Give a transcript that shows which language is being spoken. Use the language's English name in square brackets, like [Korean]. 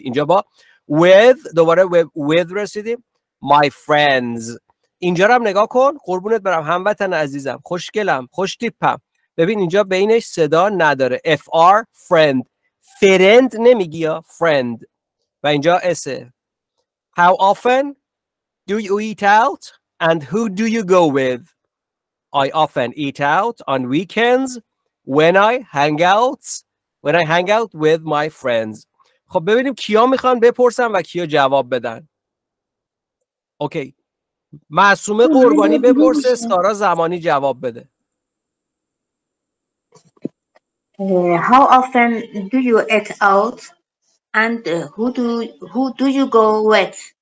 [Persian] اینجا با with، دوباره with رسیدیم. [English] My friends، [Persian] اینجا رو هم نگاه کن، قربونت برم هموطن عزیزم، خوشگلم، خوشتیپم. ببین اینجا بینش صدا نداره، fr، friend، friend نمیگی یا friend، و اینجا s. [English] How often do you eat out and who do you go with. I often eat out on weekends when I hang out، when I hang out with my friends. [Persian] خب ببینیم کیا میخوان بپرسن و کیا جواب بدن. اوکی، معصومه قربانی بپرسه، سارا زمانی جواب بده. [English] How often do you eat out And who do you go with?